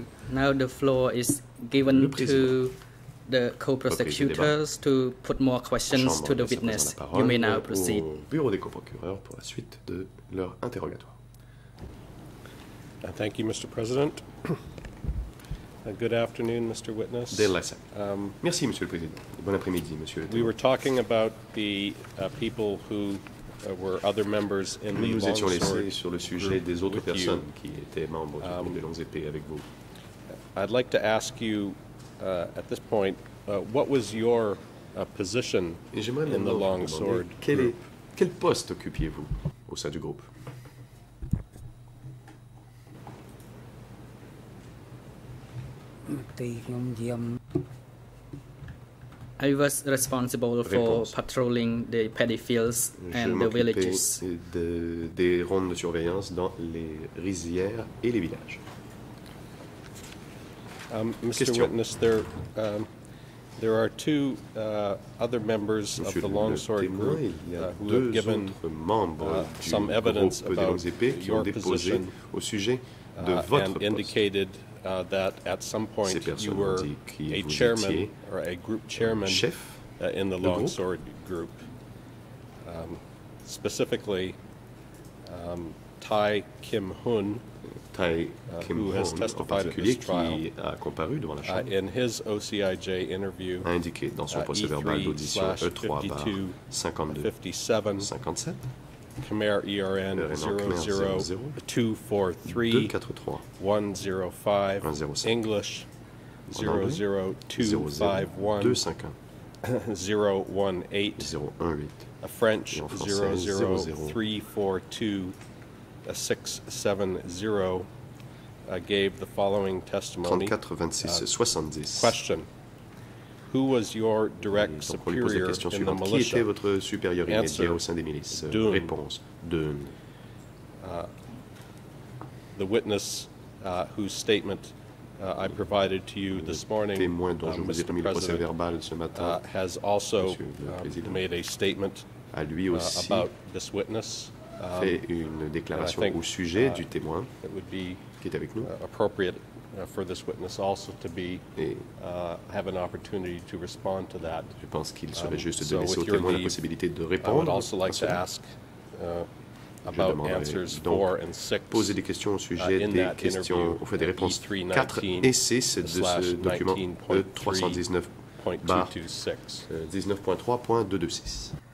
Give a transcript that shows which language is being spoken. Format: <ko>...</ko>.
<en>Now the floor is given to the co-prosecutors to put more questions to the witness. You may now proceed.</en> <fr>Bureau des co-procureurs pour la suite de leur interrogatoire.</fr> <en>Thank you, Mr. President. Good afternoon, Mr. Witness.</en> <fr>Merci, Monsieur le Président. Bon après-midi, Monsieur le.</fr> <en>We were talking about the people who were other members in the Longsword.</en> <fr>Nous étions laissés sur le sujet des autres personnes qui étaient membres du groupe des longues épées avec vous.</fr> <en>I'd like to ask you at this point, what was your position in the Longsword?</en> <fr>Quel poste occupiez-vous au sein du groupe?</fr> <en>I was responsible for patrolling the paddy fields and the villages.</en> <fr>Des rondes de surveillance dans les rizières et les villages.</fr> <en>Mr. Witness, there are two other members of the Longsword group who have given some evidence about your position</en> <fr>au sujet de votre</fr> <en>and indicated that at some point you were a chairman or a group chairman</en> <fr>chef</fr> <en>in the Longsword group. Specifically, Tai Kim Hun, who has testified at this trial, in his OCIJ interview,</en> <fr>a indiqué dans son procès verbal d'audition E3/52/57.</fr> <en>Khmer ERN 00243-105, English 00251-018, French 00342-670, gave the following testimony. Question. Who was your direct superior in the militia?</en> <fr>Qui était votre supérieur immédiat au sein des milices?</fr> <en>Doeun.</en> <fr>Réponse, Doeun.</fr> <en>The witness whose statement I provided to you this morning,</en> <fr>témoin dont je vous ai remis le procès verbal ce matin,</fr> <en>has also made a statement</en> <fr>a lui aussi</fr> <en>about this witness.</en> <fr>Fait une déclaration au sujet du témoin</fr> <en>it would be</en> <fr>qui est avec nous.</fr> <en>Appropriate. For this witness also to be have an opportunity to respond to that.</en> <fr>Je pense qu'il serait juste de laisser au témoin la possibilité de répondre.</fr> <en>I would also like to ask about answers 4 and 6.</en> <fr>Poser des questions au sujet des questions, au fait des réponses 4 et 6 de ce document E319.226.</fr>